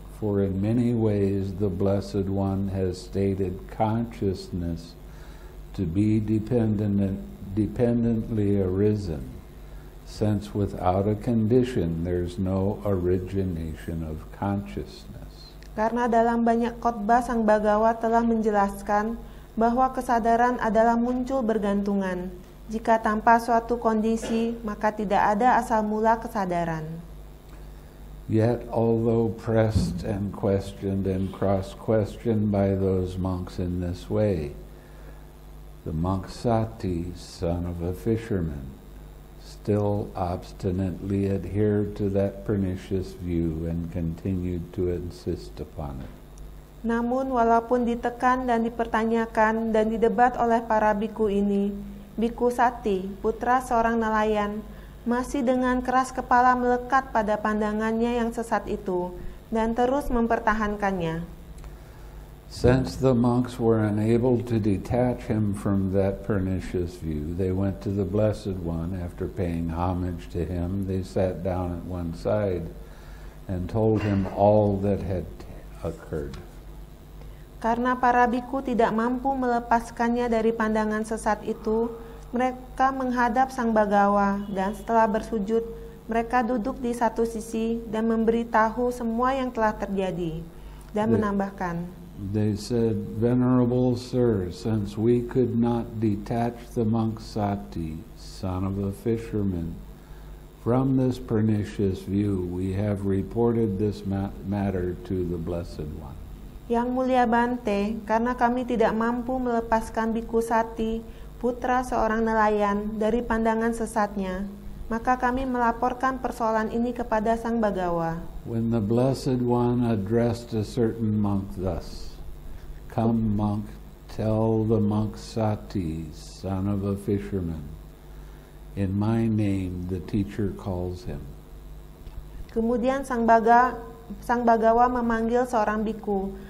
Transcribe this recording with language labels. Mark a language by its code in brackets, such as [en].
[en] For in many ways the Blessed One has stated consciousness to be dependently arisen, since without a condition there's no origination of consciousness. [id] Karena dalam banyak khotbah Sang Bhagava telah menjelaskan bahwa kesadaran adalah muncul bergantungan. Jika tanpa suatu kondisi, maka tidak ada asal mula kesadaran. [en] Yet although pressed and questioned and cross-questioned by those monks in this way, the monk Sati, son of a fisherman, still obstinately adhered to that pernicious view and continued to insist upon it. [id] Namun walaupun ditekan dan dipertanyakan dan didebat oleh para bhikkhu ini, Bhikkhu Sati, putra seorang nelayan, masih dengan keras kepala melekat pada pandangannya yang sesat itu dan terus mempertahankannya. [en] Since the monks were unable to detach him from that pernicious view, they went to the Blessed One. After paying homage to him, they sat down at one side and told him all that had occurred. [id] Karena para bhikkhu tidak mampu melepaskannya dari pandangan sesat itu, mereka menghadap Sang Bhagawa, dan setelah bersujud, mereka duduk di satu sisi dan memberitahu semua yang telah terjadi, dan menambahkan. [en] They said, "Venerable Sir, since we could not detach the monk Sati, son of a fisherman, from this pernicious view, we have reported this matter to the Blessed One." [id] Yang Mulia Bante, karena kami tidak mampu melepaskan Bhikkhu Sati, putra seorang nelayan, dari pandangan sesatnya, maka kami melaporkan persoalan ini kepada Sang Bhagawa. [en] When the Blessed One addressed a certain monk thus, "Come monk, tell the monk Sati, son of a fisherman, in my name the teacher calls him." [id] Kemudian Sang Bhagawa memanggil seorang bhikkhu.